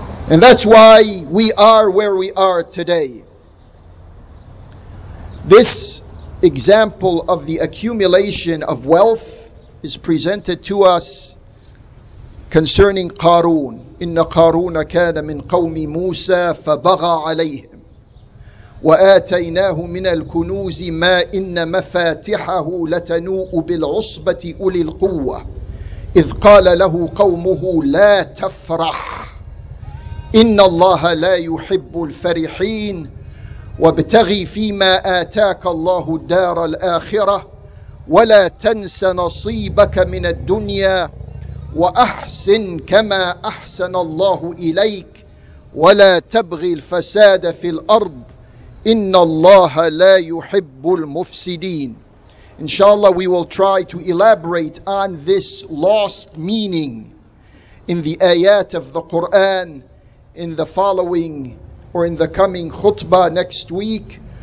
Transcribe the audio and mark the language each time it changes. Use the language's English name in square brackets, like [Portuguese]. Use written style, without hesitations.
[English] And that's why we are where we are today. This example of the accumulation of wealth is presented to us concerning Qarun. [Arabic] Inna Qarun kana min qawmi Musa fabagha alayhim. وآتيناه من الكنوز ما إن مفاتحه لتنوء بالعصبة أولي القوة إذ قال له قومه لا تفرح إن الله لا يحب الفرحين وابتغي فيما آتاك الله الدار الآخرة ولا تنس نصيبك من الدنيا وأحسن كما أحسن الله إليك ولا تبغي الفساد في الأرض إِنَّ اللَّهَ لَا يُحِبُّ الْمُفْسِدِينَ. [English] Inshallah, we will try to elaborate on this lost meaning in the ayat of the Qur'an in the following or in the coming khutbah next week.